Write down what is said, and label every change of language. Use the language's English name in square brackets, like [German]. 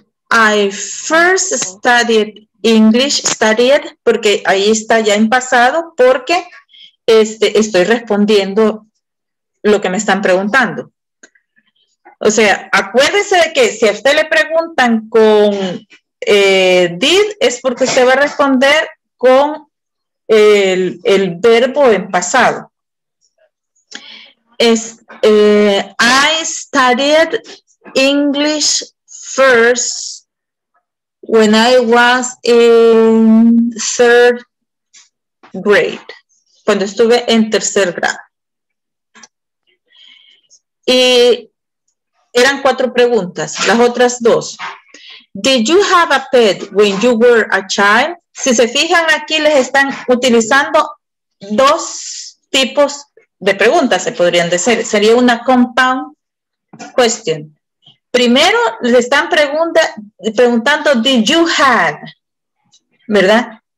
[English] I first studied English, [Spanish] porque ahí está ya en pasado, porque estoy respondiendo lo que me están preguntando. O sea, acuérdese de que si a usted le preguntan con did, es porque usted va a responder con el verbo en pasado. [English] I studied English first when I was in third grade. [Spanish] Cuando estuve en tercer grado. Y eran cuatro preguntas. Las otras dos. [English] Did you have a pet when you were a child? [Spanish] Si se fijan aquí, les están utilizando dos tipos de preguntas, se podrían decir. Sería una compound question. Primero, les están preguntando, [English] did you have, [Spanish] ¿verdad?